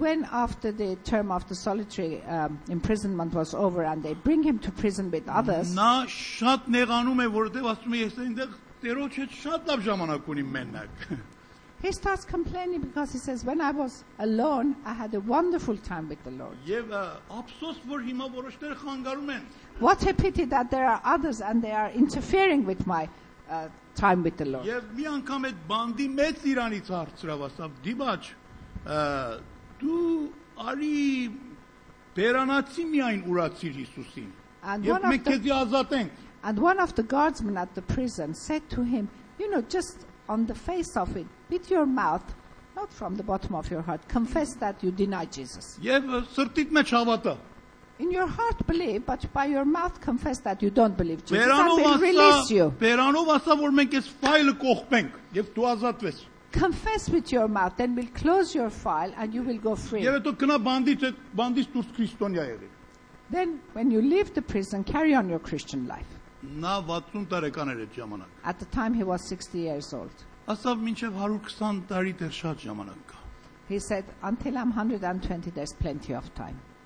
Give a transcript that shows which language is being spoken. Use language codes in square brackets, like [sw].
[en] when after the term of the solitary imprisonment was over and they bring him to prison with others, [hy] նա շատ նեղանում է, որովհետև ասում է, ես այնտեղ տերոջ հետ շատ լավ ժամանակ ունի մենակ. [en] He starts complaining because he says, when I was alone, I had a wonderful time with the Lord. [hy] Եվ ափսոս, որ հիմա որոշները խանգարում են. [en] What a pity that there are others and they are interfering with my time with the Lord. [hy] Եվ մի անգամ այդ բանդի մեծ իրանից հարցրավ, ասավ, դիմաչ, դու արի բերանացի միայն ուրացիր Հիսուսին։ Եվ մենք քեզի ազատենք։ [en] And one of the guardsmen at the prison said to him, you know, just on the face of it, with your mouth, not from the bottom of your heart, confess that you deny Jesus. [hy] Եվ սրտիդ մեջ հավատա։ [en] In your heart believe, but by your mouth confess that you don't believe Jesus, [hy] բերանով [en] and we'll release you. [hy] Ասա, [en] confess with your mouth, then we'll close your file and you will go free. Then when you leave the prison, carry on your Christian life. [hy] Նա 60 տարեկան էր այդ ժամանակ. [en] At the time he was 60 years old. [hy] Ասավ, մինչև 120 տարի դեռ շատ ժամանակ կա. [en] He said, until I'm 120, there's plenty of time.